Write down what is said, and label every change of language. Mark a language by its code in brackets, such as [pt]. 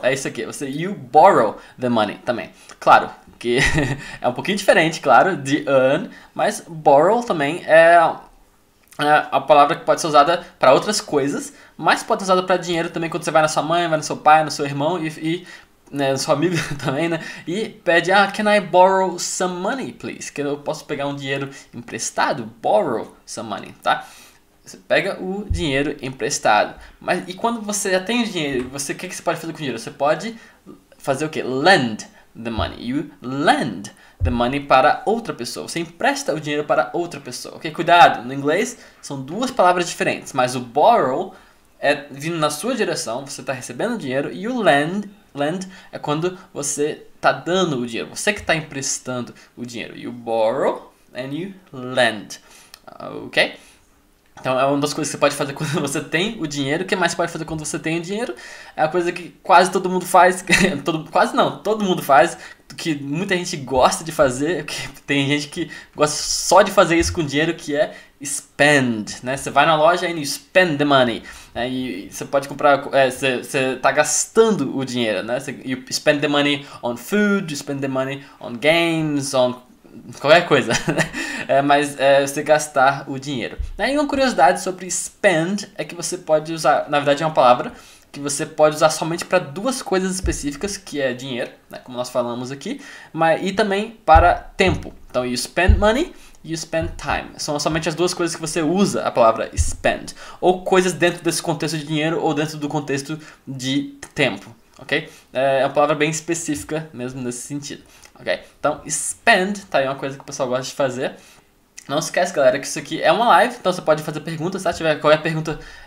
[pt] É isso aqui, você [en] you borrow the money [pt] também. Claro, que é um pouquinho diferente, claro, de earn, mas borrow também é a palavra que pode ser usada para outras coisas, mas pode ser usada para dinheiro também quando você vai na sua mãe, vai no seu pai, no seu irmão e né, no seu amigo também, né? E pede, ah, [en] can I borrow some money, please? [pt] Que eu posso pegar um dinheiro emprestado? [en] Borrow some money, [pt] tá? Você pega o dinheiro emprestado. Mas e quando você já tem o dinheiro, que você pode fazer com o dinheiro? Você pode fazer o quê? [en] Lend the money. You lend the money [pt] para outra pessoa. Você empresta o dinheiro para outra pessoa. Ok? Cuidado, no inglês são duas palavras diferentes, mas o borrow é vindo na sua direção, você está recebendo dinheiro, e o lend é quando você está dando o dinheiro, você que está emprestando o dinheiro. [en] You borrow and you lend. Ok? [pt] Então, é uma das coisas que você pode fazer quando você tem o dinheiro. O que mais você pode fazer quando você tem o dinheiro? É a coisa que quase todo mundo faz. Quase não, todo mundo faz. Que muita gente gosta de fazer. Que tem gente que gosta só de fazer isso com dinheiro, que é spend, né? Você vai na loja e [en] spend the money, [pt] né? E você pode comprar. Você tá gastando o dinheiro, né? [en] You spend the money on food, you spend the money on games, on [pt] qualquer coisa, né? Mas é você gastar o dinheiro. E uma curiosidade sobre spend é que você pode usar, na verdade é uma palavra que você pode usar somente para duas coisas específicas, que é dinheiro, né? Como nós falamos aqui, mas e também para tempo. Então, [en] you spend money e you spend time. [pt] São somente as duas coisas que você usa a palavra spend. Ou coisas dentro desse contexto de dinheiro ou dentro do contexto de tempo, ok? É uma palavra bem específica mesmo nesse sentido. Ok, então spend, tá aí uma coisa que o pessoal gosta de fazer. Não esquece, galera, que isso aqui é uma live, então você pode fazer perguntas, tá? Se tiver qualquer pergunta